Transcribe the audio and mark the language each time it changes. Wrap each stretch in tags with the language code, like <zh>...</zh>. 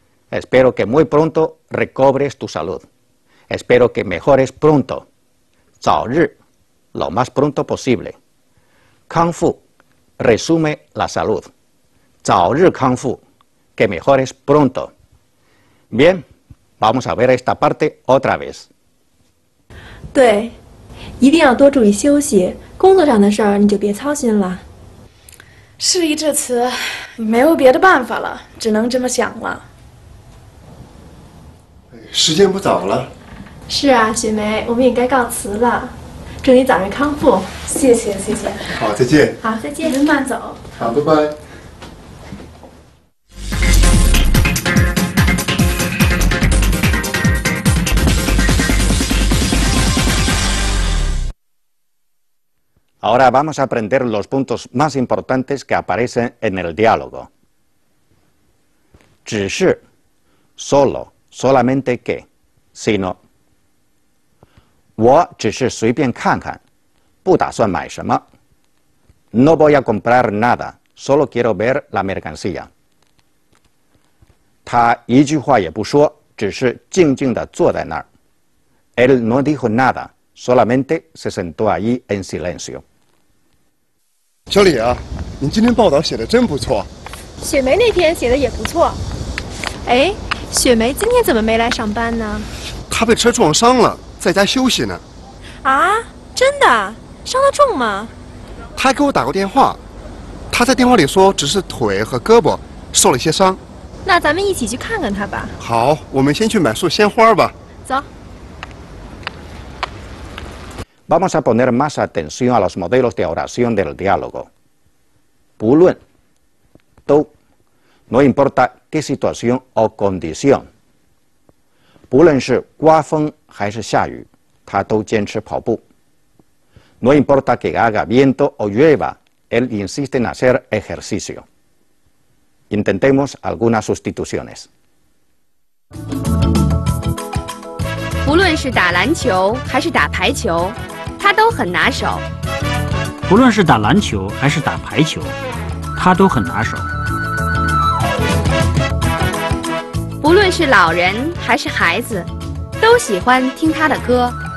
<es>Espero que muy pronto recobres tu salud. Espero que mejores pronto. Zào rì, lo más pronto posible. Kāng fù, resume la salud. Zào rì kāng fù, que mejores pronto. Bien, vamos a ver esta parte otra vez.</es> <zh>对，一定要多注意休息，工作上的事儿你就别操心了。事已至此，没有别的办法了，只能这么想了。时间不早了。是啊，雪梅，我们也该告辞了。祝你早日康复。谢谢，谢谢。好，再见。好，再见。您慢走。好，拜拜。</zh> <es>Ahora vamos a aprender los puntos más importantes que aparecen en el diálogo. 只是, solo, solamente que, sino.</es> <zh>我只是随便看看,不打算买什么。</zh> <es>No voy a comprar nada, solo quiero ver la mercancía.</es> <zh>他一句话也不说,只是静静地坐在那儿。</zh> <es>Él no dijo nada, solamente se sentó allí en silencio.</es> <zh>小李啊，你今天报道写得真不错。雪梅那天写得也不错。哎，雪梅今天怎么没来上班呢？她被车撞伤了，在家休息呢。啊，真的？伤得重吗？她还给我打过电话，她在电话里说只是腿和胳膊受了些伤。那咱们一起去看看她吧。好，我们先去买束鲜花吧。走。</zh> <es>Vamos a poner más atención a los modelos de oración del diálogo. 不论, 都, no importa qué situación o condición.</es> <zh>不论是刮风还是下雨, 他都坚持跑步.</zh> <es>No importa que haga viento o llueva, él insiste en hacer ejercicio. Intentemos algunas sustituciones.</es> <zh>不论是打篮球还是打排球,他都很拿手。不论是打篮球还是打排球，他都很拿手。不论是老人还是孩子，都喜欢听他的歌。</zh>